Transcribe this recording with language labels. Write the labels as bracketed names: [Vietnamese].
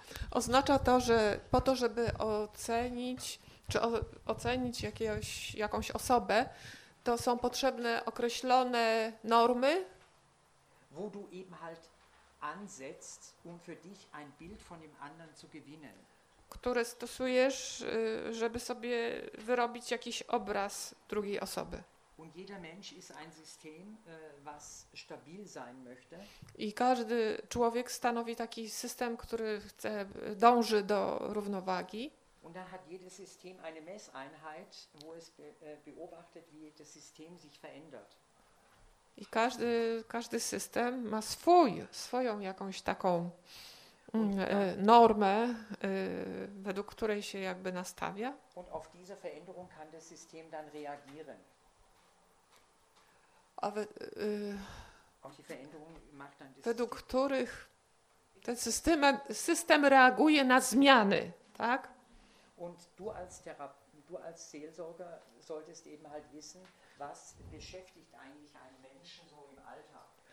[Polish] Oznacza to, że po to, żeby ocenić, czy ocenić jakąś osobę, to są potrzebne określone normy, [German] wo du eben halt ansetzt, um für dich ein Bild von dem anderen zu gewinnen. [Polish] Które stosujesz, żeby sobie wyrobić jakiś obraz drugiej osoby. [German] Und jeder Mensch ist ein System, was stabil sein möchte. [Polish] I każdy człowiek stanowi taki system, który chce, dąży do równowagi. [German] Und dann hat jedes System eine Messeinheit, wo es beobachtet, wie das System sich verändert. [Polish] I każdy system ma swoją jakąś taką normę, według której się jakby nastawia. [German] Und auf diese Veränderung kann das System dann reagieren. Auf die Veränderung macht dann das według system. [Polish] Których ten system reaguje na zmiany, tak? [German] Und du als Seelsorger solltest eben halt wissen, was beschäftigt eigentlich einen Menschen so im Alltag.